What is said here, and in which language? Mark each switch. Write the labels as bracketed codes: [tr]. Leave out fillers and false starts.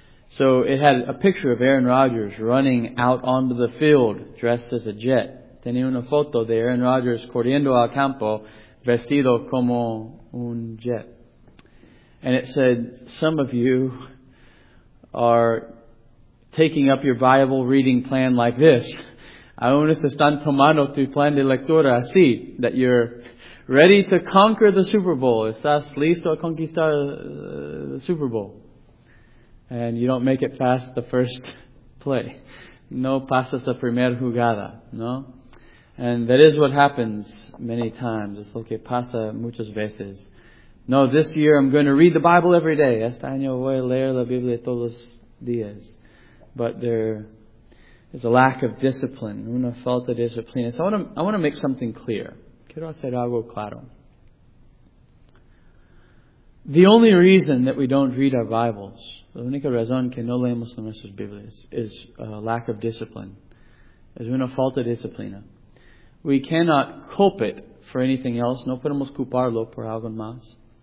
[en] So it had a picture of Aaron Rodgers running out onto the field dressed as a Jet. [es] Tenía una foto de Aaron Rodgers corriendo al campo vestido como un Jet. [en] And it said, some of you are taking up your Bible reading plan like this. [es] Algunos están tomando tu plan de lectura así, [en] that you're ready to conquer the Super Bowl. [es] Estás listo a conquistar the Super Bowl. [en] And you don't make it past the first play. [es] No pasas la primera jugada, no? [en] And that is what happens many times. [es] Es lo que pasa muchas veces. [en] No, this year I'm going to read the Bible every day. [es] Este año voy a leer la Biblia todos los días. [en] But there is a lack of discipline, [es] una falta de disciplina. [en] So I want to make something clear. [es] Quiero hacer algo claro. [en] The only reason that we don't read our Bibles, [es] la única razón que no leemos nuestras Biblias, [en] is a lack of discipline, [es] es una falta de disciplina. [en] We cannot culpe it for anything else. [es] No podemos culparlo por algo más.